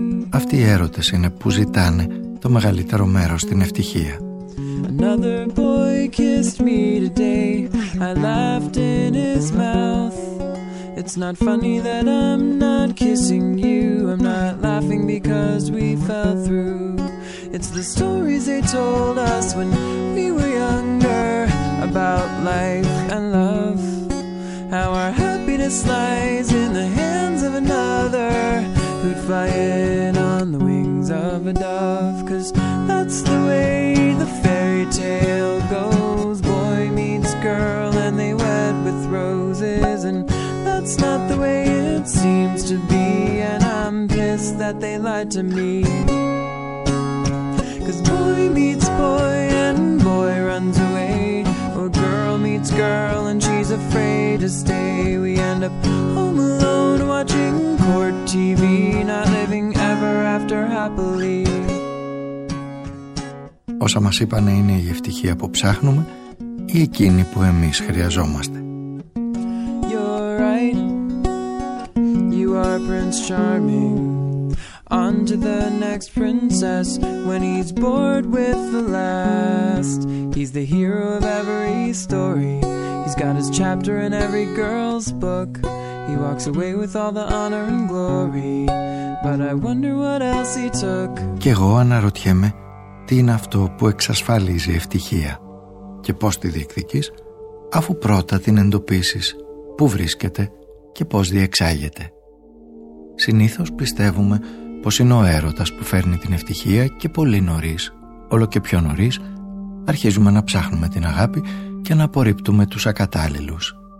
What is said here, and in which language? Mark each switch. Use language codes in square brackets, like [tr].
[el] Αυτοί οι έρωτες είναι που ζητάνε το μεγαλύτερο μέρος στην ευτυχία. [en] Another boy kissed me today. I laughed in his mouth. It's not funny that I'm not kissing you. I'm not laughing because we fell through. It's the stories they told us when we were younger about life and love. How our happiness lies in the hands of another who'd fly in on the wings of a dove. 'Cause that's the way the fairy tale goes. Boy meets girl and they wed with roses. And that's not the way it seems to be. And I'm pissed that they lied to me. Boy meets boy and boy runs away. Or girl meets girl and she's afraid to stay. We end up home alone watching court TV, not living ever after happily. [el] Όσα μας είπανε είναι η ευτυχία που ψάχνουμε ή εκείνη που εμείς χρειαζόμαστε. [en] You're right. You are Prince Charming. On to the next princess. When he's bored with the last, he's the hero of every story. He's got his chapter in every girl's book. He walks away with all the honor and glory. But I wonder what else he took. [el] Κι εγώ αναρωτιέμαι τι είναι αυτό που εξασφαλίζει ευτυχία και πώς τη διεκδικείς, αφού πρώτα την εντοπίσεις που βρίσκεται και πώς διεξάγεται. Συνήθως πιστεύουμε πως είναι ο έρωτας που φέρνει την ευτυχία και πολύ νωρίς, όλο και πιο νωρίς, αρχίζουμε να ψάχνουμε την αγάπη και να απορρίπτουμε τους ακατάλληλους.